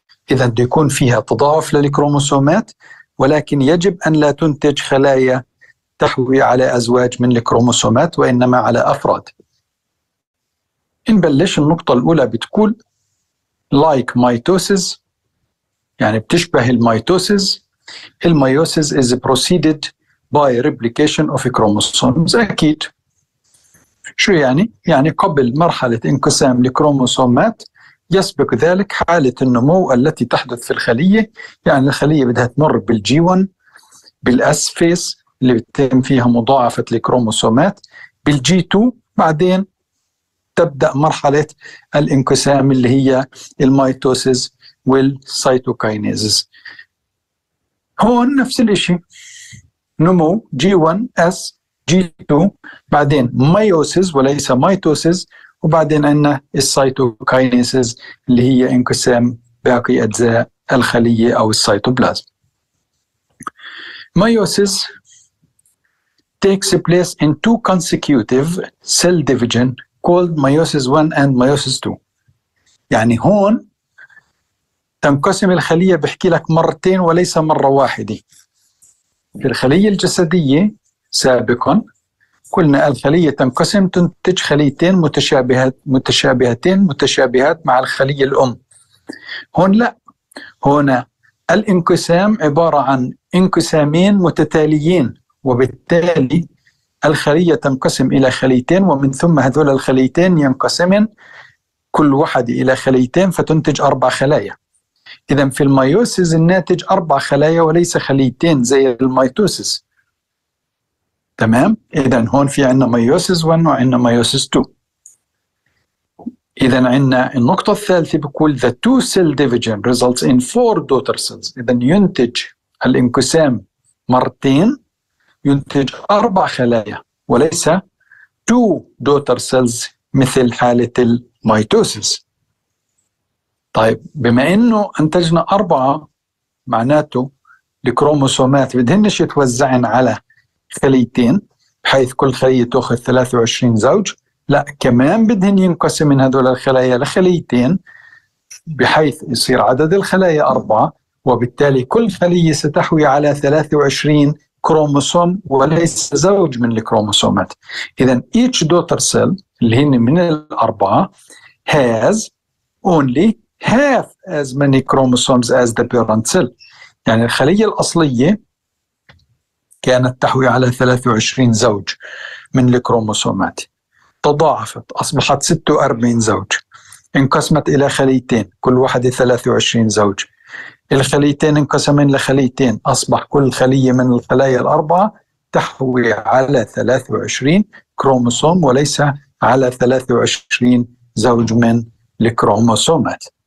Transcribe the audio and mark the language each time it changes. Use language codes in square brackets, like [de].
[ar] إذن بيكون فيها تضاعف للكروموسومات، ولكن يجب أن لا تنتج خلايا تحوي على أزواج من الكروموسومات وإنما على أفراد. نبلش النقطة الأولى بتقول [en] like mitosis، [ar] يعني بتشبه الميتوسيس. [en] الميوسيس is preceded by replication of chromosomes. [ar] أكيد. شو يعني؟ يعني قبل مرحلة انقسام الكروموسومات يسبق ذلك حالة النمو التي تحدث في الخلية. يعني الخلية بدها تمر بالجي 1، بالاس فيس اللي بتتم فيها مضاعفة الكروموسومات، بالجي 2، بعدين تبدأ مرحلة الانقسام اللي هي الميتوسيس والسيتوكينيزيس. هون نفس الاشي، نمو G1S G2، بعدين ميوسيس وليس ميتوسيس، وبعدين عندنا السيتوكينيزيس اللي هي انقسام باقي أجزاء الخلية أو السيتوبلازم. [en] Meiosis takes place in two consecutive cell division called meiosis 1 and meiosis 2. [ar] يعني هون تنقسم الخلية، بحكي لك مرتين وليس مرة واحدة. في الخلية الجسدية سابقا قلنا الخلية تنقسم تنتج خليتين متشابهات مع الخلية الأم. هون لا، هنا الانقسام عبارة عن انقسامين متتاليين، وبالتالي الخلية تنقسم إلى خليتين، ومن ثم هذول الخليتين ينقسمن كل واحد إلى خليتين فتنتج أربع خلايا. إذن في الميوسيس الناتج أربع خلايا وليس خليتين زي الميتوسيس. تمام؟ إذن هون في عنا ميوسيس 1 وعنا ميوسيس 2. إذن عنا النقطة الثالثة بيقول [en] the two cell division results in four daughter cells. [ar] إذن ينتج الانقسام مرتين، ينتج أربع خلايا وليس [en] two daughter cells [ar] مثل حالة الميتوسيس. طيب بما أنه أنتجنا أربعة، معناته الكروموسومات بدهنش يتوزعن على خليتين بحيث كل خلية تأخذ 23 زوج، لا كمان بدهن ينقسم من هذول الخلايا لخليتين بحيث يصير عدد الخلايا أربعة، وبالتالي كل خلية ستحوي على 23 كروموسوم وليس زوج من الكروموسومات. إذن [en] each daughter cell [ar] اللي هن من الأربعة [en] has only half as many chromosomes as the parent cell. [ar] يعني الخلية الأصلية كانت تحوي على 23 زوج من الكروموسومات، تضاعفت أصبحت 46 زوج، انقسمت إلى خليتين كل واحدة 23 زوج، الخليتين انقسمن لخليتين، أصبح كل خلية من الخلايا الأربعة تحوي على 23 كروموسوم وليس على 23 زوج من الكروموسومات.